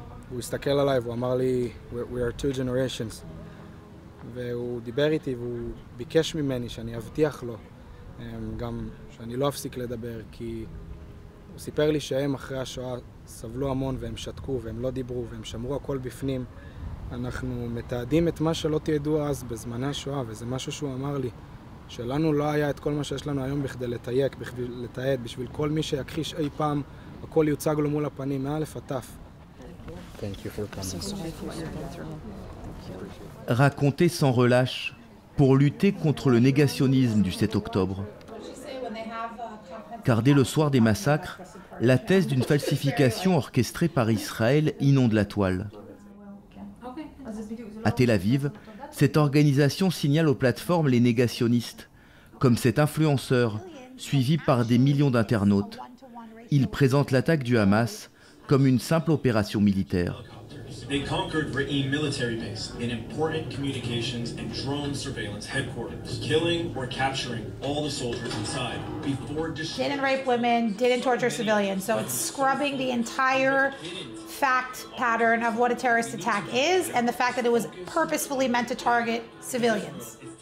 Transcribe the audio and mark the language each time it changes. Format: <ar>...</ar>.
<he>הוא הסתכל עליי והוא אמר לי,</he> <en>we are two generations.</en> <he>והוא דיבר איתי והוא ביקש ממני שאני אבטיח לו גם שאני לא אפסיק לדבר, כי הוא סיפר לי שהם אחרי השואה סבלו המון והם שתקו והם לא דיברו והם שמרו הכל בפנים. אנחנו מתעדים את מה שלא תיעדו אז בזמני השואה, וזה משהו שהוא אמר לי, שלנו לא היה את כל מה שיש לנו היום בכדי לתייק, בכדי לתעד, בשביל כל מי שיכחיש אי פעם, הכל יוצג לו מול הפנים, מאלף עד תף.</he> <fr>Raconter sans relâche pour lutter contre le négationnisme du 7 octobre. Car dès le soir des massacres, la thèse d'une falsification orchestrée par Israël inonde la toile. À Tel Aviv, cette organisation signale aux plateformes les négationnistes, comme cet influenceur, suivi par des millions d'internautes. Il présente l'attaque du Hamas comme une simple opération militaire.</fr> <en>They conquered Ra'im military base, an important communications and drone surveillance headquarters, killing or capturing all the soldiers inside before destroying... Didn't rape women, didn't torture civilians, so it's scrubbing the entire fact pattern of what a terrorist attack is and the fact that it was purposefully meant to target civilians.</en>